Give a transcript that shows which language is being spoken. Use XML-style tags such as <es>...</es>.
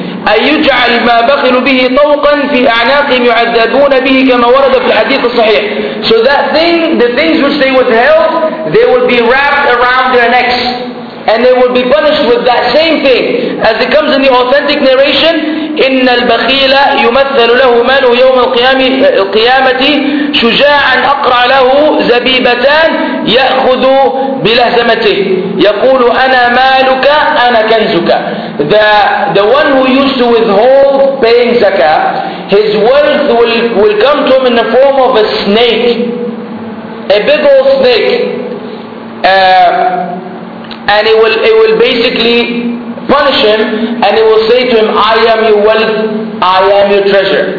<ar>أن يجعل ما بخلوا به طوقا في أعناقهم يعذبون به كما ورد في الحديث الصحيح.</ar> <en>So that thing, the things which they withheld, they will be wrapped around their necks. And they will be punished with that same thing. As it comes in the authentic narration,</en> <ar>إِنَّ الْبَخِيلَ يُمَثَّلُ لَهُ مَالُهُ يَوْمَ الْقِيَامَةِ شُجَاعًا أَقْرَعَ لَهُ زَبِيبَتَانْ يَأْخُذُ بِلَهْزَمَتِهِ يَقُولُ أَنَا مَالُكَ أَنَا كَنْزُكَ.</ar> <en>The one who used to withhold paying zakah, his wealth will come to him in the form of a snake, a big old snake. And it will basically punish him, and it will say to him, I am your wealth, I am your treasure.</en>